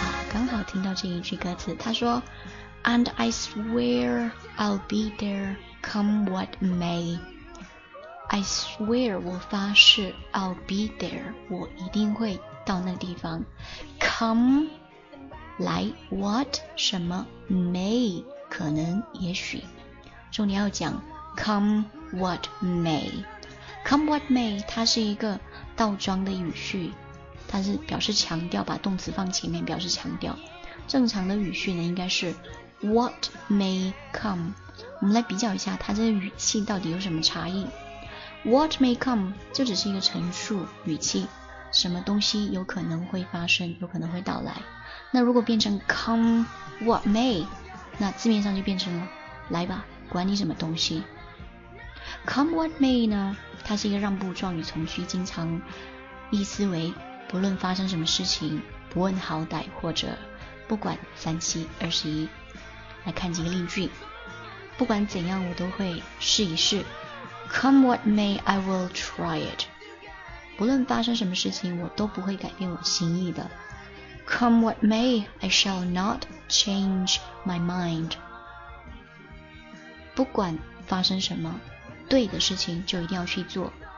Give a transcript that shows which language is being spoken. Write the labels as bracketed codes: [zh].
[zh] 刚好听到这一句歌词，他说 [en] And I swear I'll be there come what may. I swear [zh] 我发誓 [en] I'll be there [zh] 我一定会到那地方。 Come 来 what 什么 may 可能也许，重点要讲 come what may。 Come what may 它是一个倒装的语序，它是表示强调，把动词放前面表示强调。正常的语序呢应该是What may come， 我们来比较一下它这个语气到底有什么差异。 What may come 就只是一个陈述语气，什么东西有可能会发生，有可能会到来。那如果变成 come what may， 那字面上就变成了来吧，管你什么东西。 Come what may 呢，它是一个让步状语从句，经常意思为不论发生什么事情，不问好歹，或者不管三七二十一。来看几个例句，不管怎样我都会试一试。 [en] Come what may I will try it， [zh] 不论发生什么事情我都不会改变我心意的。 [en] Come what may I shall not change my mind， [zh] 不管发生什么对的事情就一定要去做。